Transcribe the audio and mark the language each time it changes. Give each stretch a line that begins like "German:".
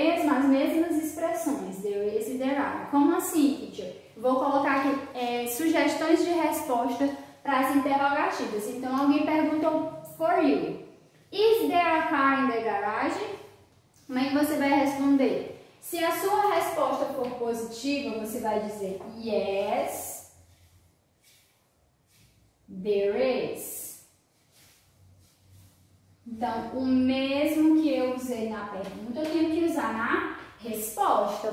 Portuguese: As mesmas expressões, there is e there are. Como assim, teacher? Vou colocar aqui sugestões de resposta para as interrogativas. Então, alguém perguntou
English: for you. Is there a car in the garage?
Portuguese: Como é que você vai responder? Se a sua resposta for positiva, você vai dizer
English: yes, there is.
Portuguese: Então, o mesmo que eu usei na pergunta, eu tenho que usar na resposta.